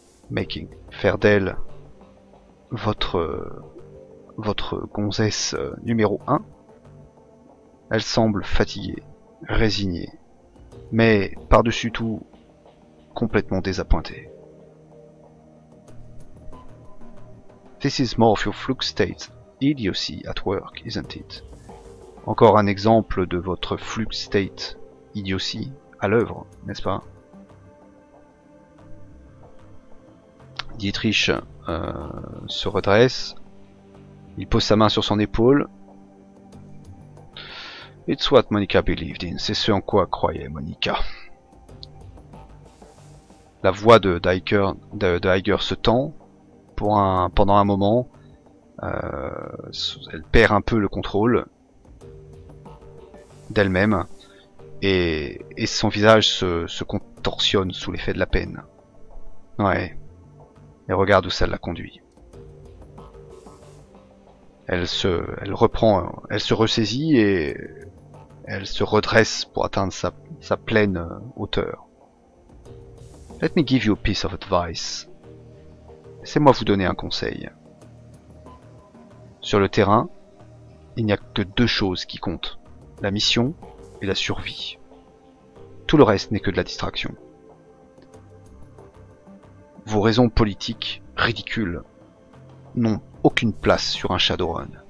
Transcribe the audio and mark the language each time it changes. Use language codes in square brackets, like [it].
[fr] Making faire d'elle votre gonzesse numéro 1. Elle semble fatiguée, résignée, mais par-dessus tout, complètement désappointée. [en] This is more of your fluke state idiocy at work, isn't it? [fr] Encore un exemple de votre [en] fluke state idiocy [fr] à l'œuvre, n'est-ce pas? Dietrich se redresse. Il pose sa main sur son épaule. [en] It's what Monica believed in. [fr] C'est ce en quoi croyait Monica. La voix de Iger se tend. Pendant un moment, elle perd un peu le contrôle d'elle-même et son visage se contorsionne sous l'effet de la peine. Ouais, et regarde où ça la conduit. Elle se ressaisit et elle se redresse pour atteindre sa pleine hauteur. [en] Let me give you a piece of advice. [fr] Laissez-moi vous donner un conseil. Sur le terrain, il n'y a que deux choses qui comptent. La mission et la survie. Tout le reste n'est que de la distraction. Vos raisons politiques ridicules n'ont aucune place sur un Shadowrun.